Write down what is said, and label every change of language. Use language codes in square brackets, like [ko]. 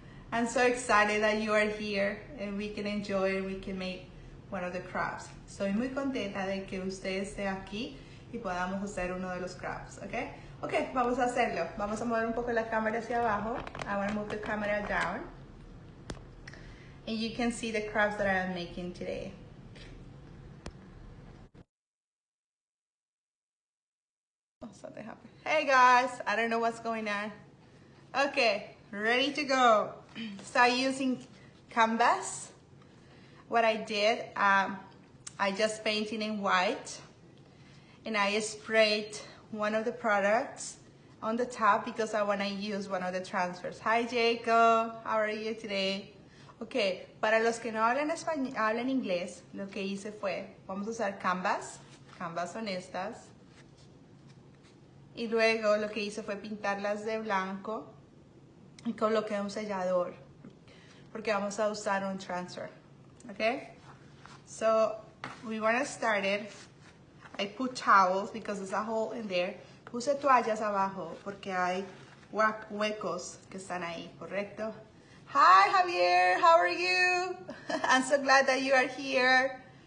[en] I'm so excited that you are here and we can enjoy and we can make one of the crafts. [es] Soy muy contenta de que usted esté aquí y podamos hacer uno de los crafts, okay? Okay, vamos a hacerlo. Vamos a mover un poco la cámara hacia abajo. [en] I wanna move the camera down. And you can see the crafts that I am making today. Something happened. Hey guys, I don't know what's going on. Okay, ready to go. So using canvas. What I did, I just painted in white and I sprayed one of the products on the top because I wanna use one of the transfers. Hi Jacob, how are you today? [es] Okay, para los que no hablan español, hablan inglés, lo que hice fue, vamos a usar canvas honestas. Y luego lo que hice fue pintarlas de blanco y coloqué un sellador porque vamos a usar un transfer, okay? [en] So we want to start it. I put towels because there's a hole in there. [es] Puse toallas abajo porque hay huecos que están ahí, correcto? [en] Hi Javier, how are you? I'm so glad that you are here.